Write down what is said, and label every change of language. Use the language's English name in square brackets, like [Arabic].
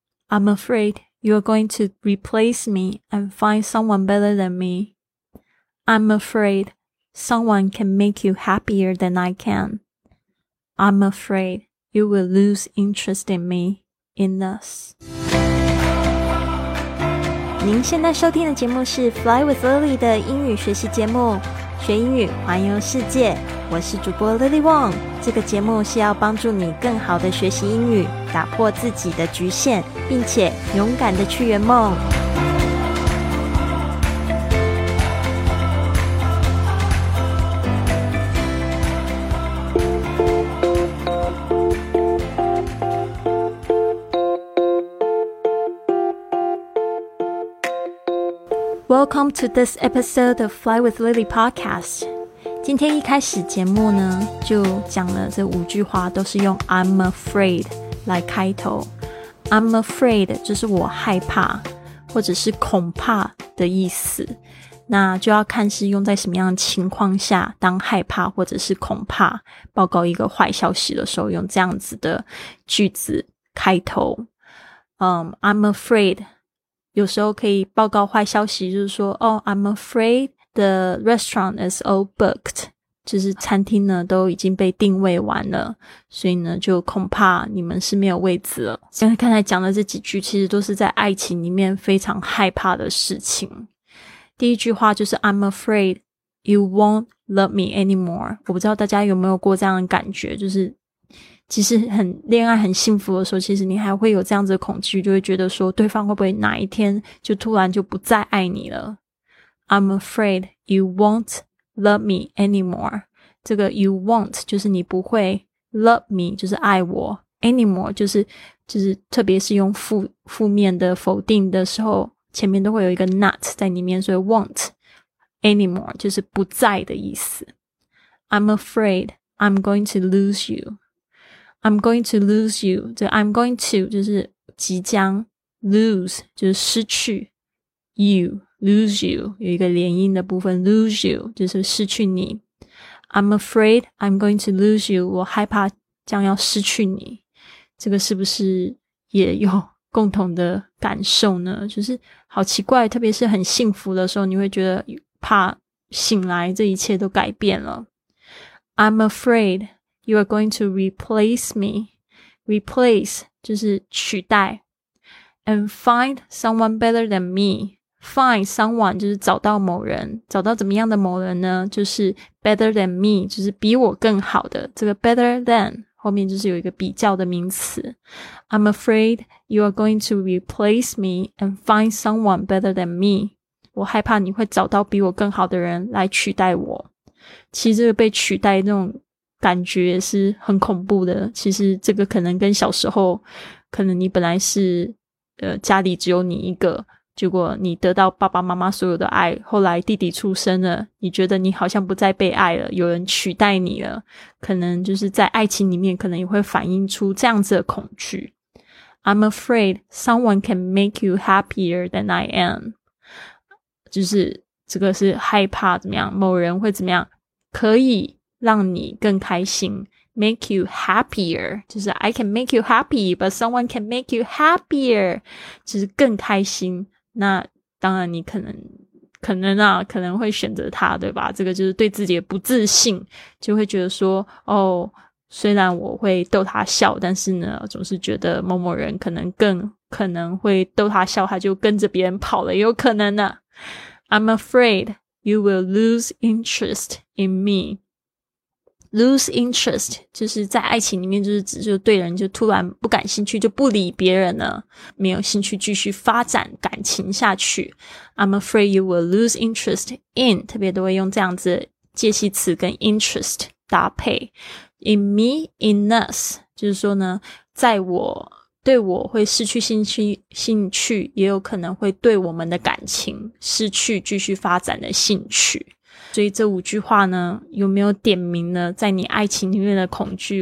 [English] I'm afraid you're going to replace me and find someone better than me. I'm afraid someone can make you happier than I can. I'm afraid you will lose interest in me, in us. [Chinese] 您现在收听的节目是 Fly with Lily 的英语学习节目，学英语环游世界。我是主播 Lily Wong， 这个节目是要帮助你更好的学习英语，打破自己的局限，并且勇敢的去圆梦。 [English] Welcome to this episode of Fly with Lily podcast. [Chinese] 今天一开始节目呢，就讲了这五句话，都是用 [English] I'm afraid [Chinese] 来开头。 [English] I'm afraid [Chinese] 就是我害怕，或者是恐怕的意思。那就要看是用在什么样的情况下，当害怕或者是恐怕报告一个坏消息的时候，用这样子的句子开头。 [English] I'm afraid. [Chinese] 有时候可以报告坏消息，就是说哦、 [English] oh, I'm afraid the restaurant is all booked， [Chinese] 就是餐厅呢都已经被定位完了，所以呢就恐怕你们是没有位置了。现在刚才讲的这几句其实都是在爱情里面非常害怕的事情。第一句话就是 [English] I'm afraid you won't love me anymore。 [Chinese] 我不知道大家有没有过这样的感觉，就是其实很恋爱很幸福的时候，其实你还会有这样子的恐惧，就会觉得说对方会不会哪一天就突然就不再爱你了。 [English] I'm afraid you won't love me anymore。 [Chinese] 这个 [English] you won't [Chinese] 就是你不会， [English] love me [Chinese] 就是爱我， anymore 就是特别是用负面的否定的时候，前面都会有一个 not 在里面，所以 [English] won't anymore [Chinese] 就是不再的意思。 [English] I'm afraid I'm going to lose youI'm going to lose you. [Chinese] 这 [English] I'm going to [Chinese] 就是即将， lose 就是失去， [English] you lose you [Chinese] 有一个连音的部分， [English] lose you [Chinese] 就是失去你。 [English] I'm afraid I'm going to lose you. [Chinese] 我害怕将要失去你。这个是不是也有共同的感受呢？就是好奇怪，特别是很幸福的时候，你会觉得怕醒来这一切都改变了。 [English] I'm afraidYou are going to replace me. [Chinese] Replace 就是取代。 [English] And find someone better than me. Find someone [Chinese] 就是找到某人。找到怎么样的某人呢？就是 [English] better than me， [Chinese] 就是比我更好的。这个 [English] better than [Chinese] 后面就是有一个比较的名词。 [English] I'm afraid you are going to replace me and find someone better than me. [Chinese] 我害怕你会找到比我更好的人来取代我。其实这个被取代那种感觉也是很恐怖的。其实这个可能跟小时候可能你本来是家里只有你一个，结果你得到爸爸妈妈所有的爱，后来弟弟出生了，你觉得你好像不再被爱了，有人取代你了，可能就是在爱情里面可能也会反映出这样子的恐惧。 [English] I'm afraid someone can make you happier than I am， [Chinese] 就是这个是害怕怎么样某人会怎么样可以让你更开心， [English] make you happier， 就是 I can make you happy but someone can make you happier， [Chinese] 就是更开心。那当然你可能会选择他，对吧？这个就是对自己的不自信，就会觉得说哦，虽然我会逗他笑，但是呢总是觉得某某人可能更可能会逗他笑，他就跟着别人跑了，有可能呢。 [English] I'm afraid you will lose interest in meLose interest [Chinese] 就是在爱情里面就是指就对人就突然不感兴趣，就不理别人了，没有兴趣继续发展感情下去。 [English] I'm afraid you will lose interest in， [Chinese] 特别都会用这样子介系词跟 interest 搭配。 [English] In me, in us [Chinese] 就是说呢，在我对我会失去兴趣，也有可能会对我们的感情失去继续发展的兴趣。所以这五句话呢，有没有点明呢在你爱情里面的恐惧？